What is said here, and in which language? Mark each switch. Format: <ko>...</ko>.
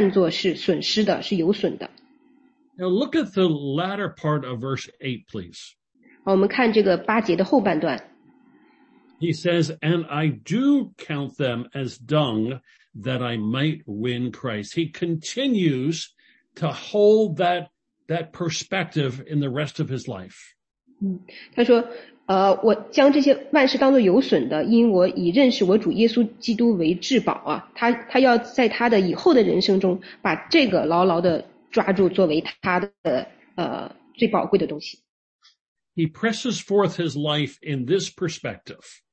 <zh>他说我,这是讲的是过去的事,就是他以前在犹太教里所学习的一切东西呢,他现在都看作是损失的,是有损的。</zh> <en>Now look at the latter part of verse 8, please.</en> <zh>我们看这个八节的后半段。</zh> <en>He says, and I do count them as dung that I might win Christ. He continues to hold that perspective in the rest of his life.</en> <zh>他说,我将这些万事当作有损的,因我已认识我主耶稣基督为至宝,他要在他的以后的人生中把这个牢牢的抓住作为他的最宝贵的东西。</zh> <en>He presses forth his life in this perspective.</en>